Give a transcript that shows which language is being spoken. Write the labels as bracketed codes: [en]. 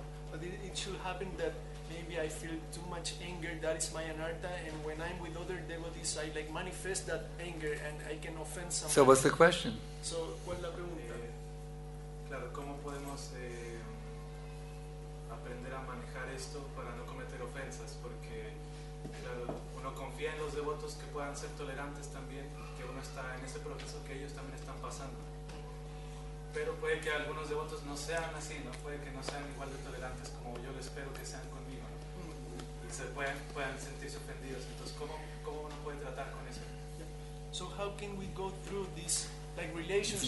[en] But it should happen that maybe I feel too much anger, that is my anartha, and when I'm with other devotees, I like manifest that anger and I can offend someone. So, what's the question? [es] So, ¿cuál la pregunta? Claro, ¿cómo podemos aprender a manejar esto para no cometer ofensas? Porque, claro, uno confía en los devotos que puedan ser tolerantes también, que uno está en ese proceso que ellos también están pasando. Pero puede que algunos devotos no sean así, ¿no? Puede que no sean igual de tolerantes como yo lo espero que sean conmigo, ¿no? Y se puedan sentirse ofendidos. Entonces, ¿cómo uno puede tratar con eso? [en] So how can we go through this, like, relationship?